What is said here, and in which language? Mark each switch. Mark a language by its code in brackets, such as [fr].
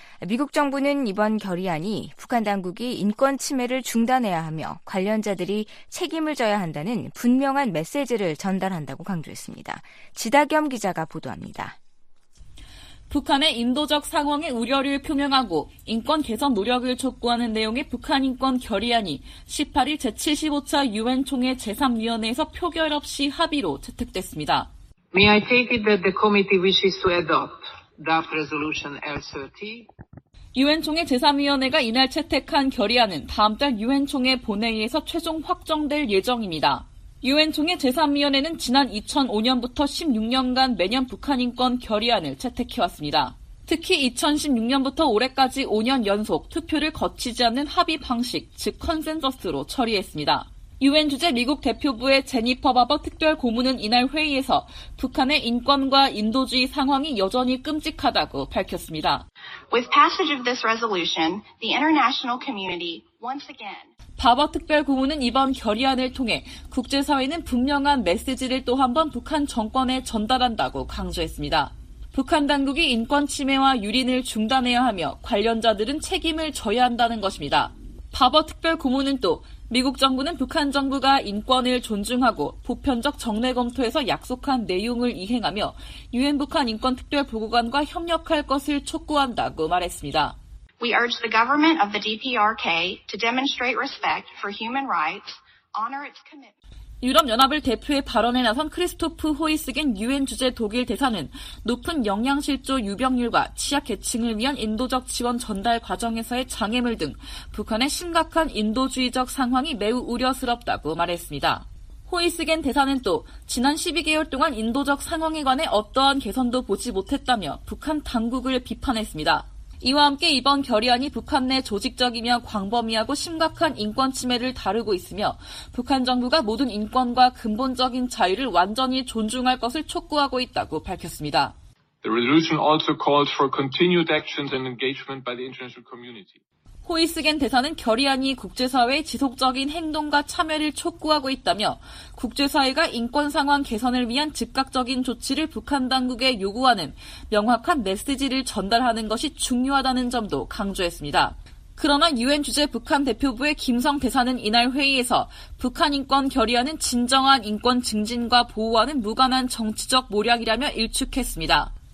[ko] 미국 정부는 이번 결의안이 북한 당국이 인권 침해를 중단해야 하며 관련자들이 책임을 져야 한다는 분명한 메시지를 전달한다고 강조했습니다. 지다겸 기자가 보도합니다. 북한의 인도적 상황의 우려를 표명하고 인권 개선 노력을 촉구하는 내용의 북한 인권 결의안이 18일 제75차 유엔 총회 제3위원회에서 표결 없이 합의로 채택됐습니다. [en] May I take it that the committee wishes to adopt draft resolution L30? [ko] 유엔 총회 제3위원회가 이날 채택한 결의안은 다음 달 유엔 총회 본회의에서 최종 확정될 예정입니다. 유엔총회 제3위원회는 지난 2005년부터 16년간 매년 북한인권 결의안을 채택해왔습니다. 특히 2016년부터 올해까지 5년 연속 투표를 거치지 않는 합의 방식, 즉 컨센서스로 처리했습니다. 유엔 주재 미국 대표부의 제니퍼 바버 특별 고문은 이날 회의에서 북한의 인권과 인도주의 상황이 여전히 끔찍하다고 밝혔습니다. [en] With passage of this resolution, the international community once again [ko] 바버 특별 고문은 이번 결의안을 통해 국제사회는 분명한 메시지를 또 한 번 북한 정권에 전달한다고 강조했습니다. 북한 당국이 인권 침해와 유린을 중단해야 하며 관련자들은 책임을 져야 한다는 것입니다. 바버 특별 고문은 또 미국 정부는 북한 정부가 인권을 존중하고 보편적 정례 검토에서 약속한 내용을 이행하며 유엔 북한 인권 특별 보고관과 협력할 것을 촉구한다고 말했습니다. [en] We urge the government of the DPRK to demonstrate respect for human rights, honor its commitment. [ko] 유럽연합을 대표해 발언에 나선 크리스토프 호이스겐 유엔 주재 독일 대사는 높은 영양실조 유병률과 취약계층을 위한 인도적 지원 전달 과정에서의 장애물 등 북한의 심각한 인도주의적 상황이 매우 우려스럽다고 말했습니다. 호이스겐 대사는 또 지난 12개월 동안 인도적 상황에 관해 어떠한 개선도 보지 못했다며 북한 당국을 비판했습니다. 이와 함께 이번 결의안이 북한 내 조직적이며 광범위하고 심각한 인권 침해를 다루고 있으며 북한 정부가 모든 인권과 근본적인 자유를 완전히 존중할 것을 촉구하고 있다고 밝혔습니다. [en] The resolution also calls for continued actions and engagement by the international community. [ko] 호이스겐 대사는 결의안이 국제사회의 지속적인 행동과 참여를 촉구하고 있다며 국제사회가 인권 상황 개선을 위한 즉각적인 조치를 북한 당국에 요구하는 명확한 메시지를 전달하는 것이 중요하다는 점도 강조했습니다. 그러나 유엔 주재 북한 대표부의 김성 대사는 이날 회의에서 북한 인권 결의안은 진정한 인권 증진과 보호와는 무관한 정치적 모략이라며 일축했습니다.